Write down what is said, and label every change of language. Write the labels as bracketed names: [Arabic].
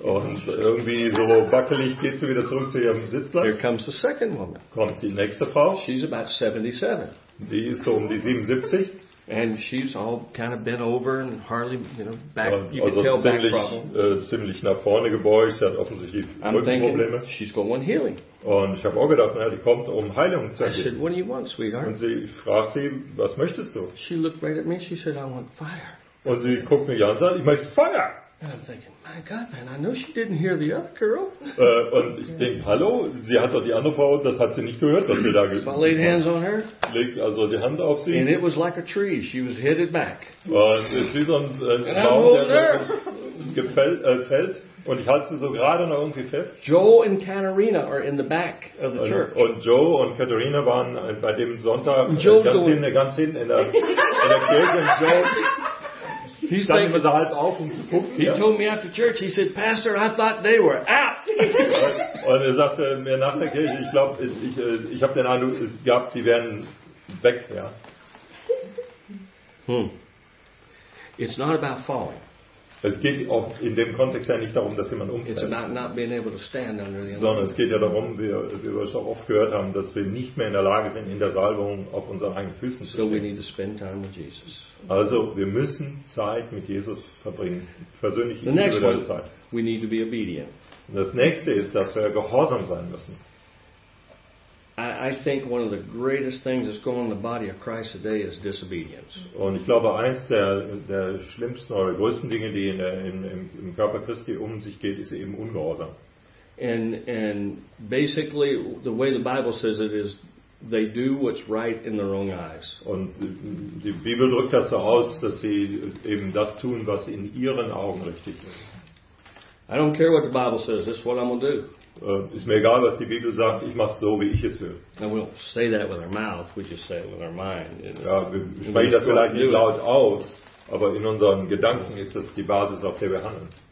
[German] Und irgendwie so wackelig geht sie wieder zurück zu ihrem Sitzplatz. [English] Here comes the second woman. [German] Kommt die nächste Frau. [English] She's about 77. [German] Die ist so die 77. [English] And she's all kind of bent over and hardly, back. [German] Ja, [English] you also can tell [German] ziemlich, [English] back problem. [German] Ziemlich nach vorne gebeugt. Sie hat offensichtlich Rückenprobleme. [English] She's going on healing. [German] Und ich habe auch gedacht, die kommt um Heilung zu erleben. [English] I said, what do you want, sweetheart? [German] Und ich frage sie, was möchtest du? [English] She looked right at me. She said, I want fire. [German] Und sie guckt mich an und sagt, ich möchte Feuer. [English] And I'm thinking, my God, man, I know she didn't hear the other girl. [German] Und ich denke, hallo, sie hat doch die andere Frau, das hat sie nicht gehört, was wir da gesagt haben. [English] So I laid hands on her. [German] Leg also die Hand auf sie. [English] And it was like a tree, she was headed back. [German] Und es ist wie so ein Baum, fällt und ich halte sie so gerade noch irgendwie fest. [English] Joe and Katarina are in the back of the church. [German] Und Joe und Katarina waren bei dem Sonntag ganz hinten in der Kirche. Und Joe, [English] he's [German] standen wir so halb auf, um zu gucken. [English] He told me after church, he said, Pastor, I thought they were out. [German] Und er sagte mir nach der Kirche, ich glaube, ich habe den Eindruck gehabt, die werden weg, ja. [English] It's not about falling. [German] Es geht auch in dem Kontext ja nicht darum, dass jemand umfällt. [English] It's about not being able to stand under the anointing. [German] Sondern es geht ja darum, wie wir es auch oft gehört haben, dass wir nicht mehr in der Lage sind, in der Salbung auf unseren eigenen Füßen zu stehen. [English] So we need to spend time with Jesus. [German] Also wir müssen Zeit mit Jesus verbringen, persönlich in jeder Zeit. [English] We need to be obedient. [German] Und das nächste ist, dass wir gehorsam sein müssen. [English] I think one of the greatest things that's going on in the body of Christ today is disobedience. [German] Und ich glaube, eins der schlimmsten oder größten Dinge, die im Körper Christi um sich geht, ist eben Ungehorsam. [English] And basically, the way the Bible says it is, they do what's right in their own eyes. [German] Und die Bibel drückt das so aus, dass sie eben das tun, was in ihren Augen richtig ist. [English] I don't care what the Bible says. This is what I'm going to do. [German] Ist mir egal, was die Bibel sagt. Ich mache so, wie ich es will. [English] And we don't say that with our mouth. We just say it with our mind. [German] Ja, wir sprechen das vielleicht nicht laut aus, aber in unseren Gedanken ist das die Basis, auf der wir handeln.